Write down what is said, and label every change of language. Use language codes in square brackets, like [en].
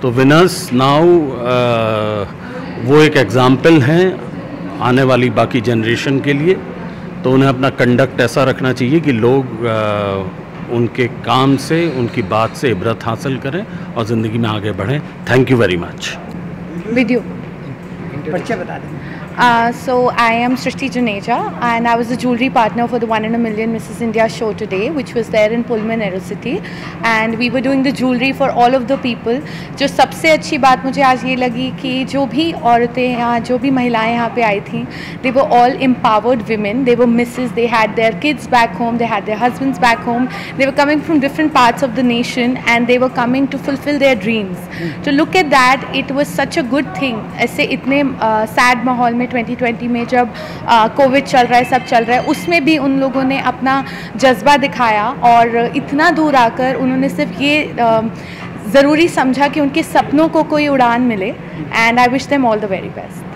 [hi] तो winners now वो एक एग्ज़ाम्पल हैं आने वाली बाकी जनरेशन के लिए, तो उन्हें अपना कंडक्ट ऐसा रखना चाहिए कि लोग उनके काम से, उनकी बात से इबरत हासिल करें और ज़िंदगी में आगे बढ़ें। [en] Thank you very much. With you [hi] बच्चे बता दें। [en] So I am Srishti Juneja and I was the jewelry partner for the One in a Million Mrs. India show today, which was there in Pullman Aerocity. And we were doing the jewelry for all of the people. [hi] जो सबसे अच्छी बात मुझे आज ये लगी कि जो भी औरतें यहाँ जो भी महिलाएं यहाँ पे आई थी, [en] they were all empowered women. They were misses, they had their kids back home, they had their husbands back home. They were coming from different parts of the nation and they were coming to fulfill their dreams. To look at that, it was such a good thing. [hi] ऐसे इतने sad माहौल में 2020 में जब Covid चल रहा है, सब चल रहा है, उसमें भी उन लोगों ने अपना जज्बा दिखाया और इतना दूर आकर उन्होंने सिर्फ ये ज़रूरी समझा कि उनके सपनों को कोई उड़ान मिले. [en] And I wish them all the very best.